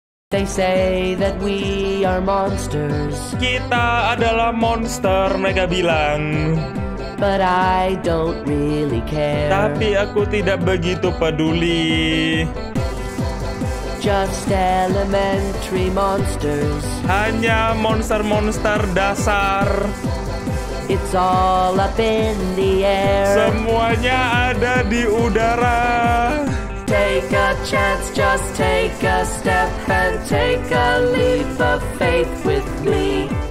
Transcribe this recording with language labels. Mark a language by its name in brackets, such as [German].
[English] They say that we are monsters. [Indonesian] Kita adalah monster, mereka bilang. [English] But I don't really care. [Indonesian] Tapi aku tidak begitu peduli. [English] Just elementary monsters. [Indonesian] Hanya monster-monster dasar. [English] It's all up in the air. [Indonesian] Semuanya ada di udara. [English] Take a chance, just take a step and take a leap of faith with me.